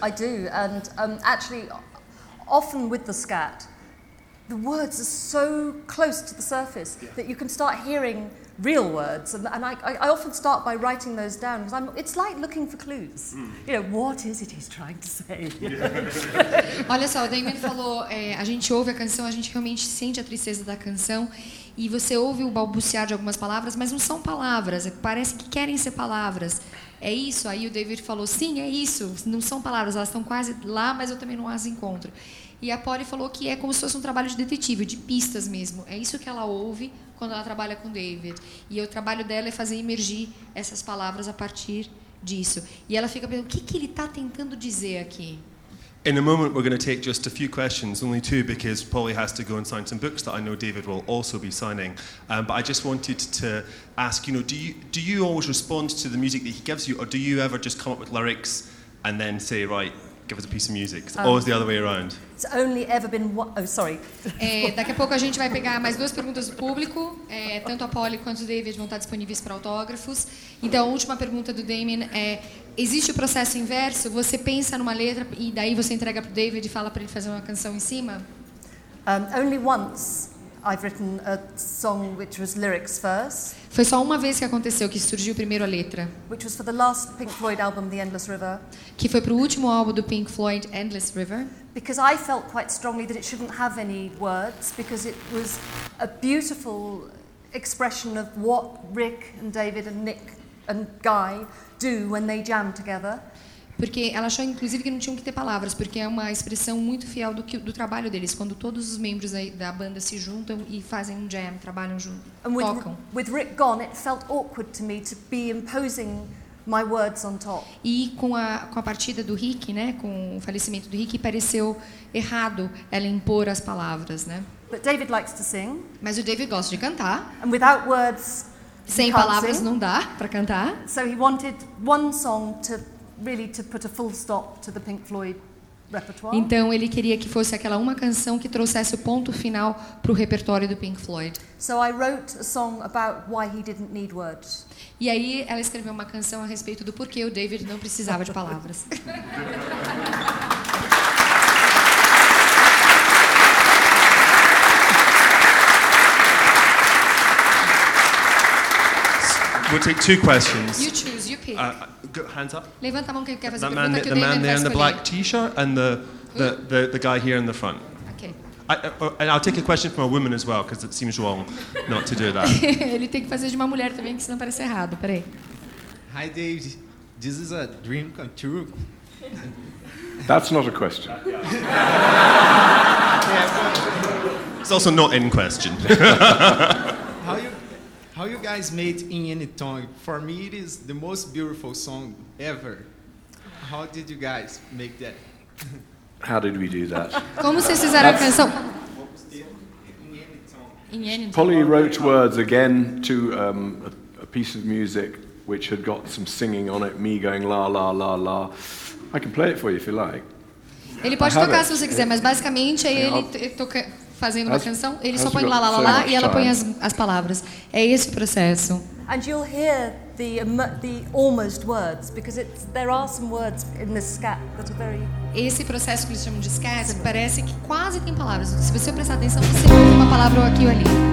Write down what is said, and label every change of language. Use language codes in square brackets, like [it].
[en] I do, and actually, often with the scat. The words are so close to the surface that you can start hearing real words. And I often start by writing those down, because it's like looking for clues. Mm. You know, what is it he's trying to say? Yeah. [pt] Olha só, o Damien falou, a gente ouve a canção, a gente realmente sente a tristeza da canção, e você ouve o balbuciar de algumas palavras, mas não são palavras, parece que querem ser palavras. É isso? Aí o David falou, sim, é isso, não são palavras, elas estão quase lá, mas eu também não as encontro. E a Polly falou que é como se fosse um trabalho de detetive, de pistas mesmo. É isso que ela ouve quando ela trabalha com David. E o trabalho dela é fazer emergir essas palavras a partir disso. E ela fica pensando, o que, que ele está tentando dizer aqui? [en] In a moment, we're going to take just a few questions, only two, because Polly has to go and sign some books that I know David will also be signing. But I just wanted to ask, you know, do you always respond to the music that he gives you, or do you ever just come up with lyrics and then say, right, give us a piece of music? It's always the other way around. It's only ever been [pt] daqui a pouco a gente vai pegar mais duas perguntas do público. Tanto a Polly quanto o David vão estar disponíveis para autógrafos. Então, a última pergunta do Damien é: existe o processo inverso? Você pensa numa letra e daí você entrega para o David e fala para ele fazer uma canção em cima? [en] Only once I've written a song which was lyrics first. [pt] Foi só uma vez que aconteceu que surgiu primeiro a letra. [en] Which was for the last Pink Floyd album, The Endless River. [pt] Que foi pro último álbum do Pink Floyd, Endless River. [en] Because I felt quite strongly that it shouldn't have any words, because it was a beautiful expression of what Rick and David and Nick and Guy do when they jam together. [pt] Porque ela achou, inclusive, que não tinham que ter palavras, porque é uma expressão muito fiel do trabalho deles, quando todos os membros da banda se juntam e fazem um jam, trabalham junto, tocam. [en] With Rick gone, it felt awkward to me to be imposing my words on top. [pt] E com a partida do Rick, né, com o falecimento do Rick, pareceu errado ela impor as palavras, né? [en] But David likes to sing. [pt] Mas o David gosta de cantar. [en] And without words, [pt] sem palavras não dá para cantar. [en] So he wanted one song to really to put a full stop to the Pink Floyd repertoire. [pt] Então ele queria que fosse aquela uma canção que trouxesse o ponto final para o repertório do Pink Floyd. [en] So I wrote a song about why he didn't need words. [pt] E aí ela escreveu uma canção a respeito do porquê o David não precisava de palavras. [en] We'll take two questions. You choose, you pick. Hands up. [pt] Levanta a mão quem quer fazer pergunta. [en] The man there in the black t-shirt and the guy here in the front. Okay. And I'll take a question from a woman as well, because it seems wrong not to do that. [pt] Ele tem que fazer de uma mulher também, que senão parece errado. Peraí. [en] Hi, Dave. This is a dream come true. That's not a question. It's also not in question. How you guys made In Any Tongue? For me, it is the most beautiful song ever. How did you guys make that? How did we do that? [pt] Como vocês fizeram a canção? [en] Polly wrote words again to a piece of music which had got some singing on it, me going la la la la. I can play it for you if you like. [pt] Ele pode tocar se você quiser, mas basicamente é ele fazendo uma canção. Ele só põe lá, lá, lá, lá, e ela põe as palavras. É esse o processo. [en] And you'll hear the almost words, because there are some words in the scat that are very... [pt] Esse processo que eles chamam de scat, parece que quase tem palavras. Se você prestar atenção, você ouve uma palavra aqui ou ali.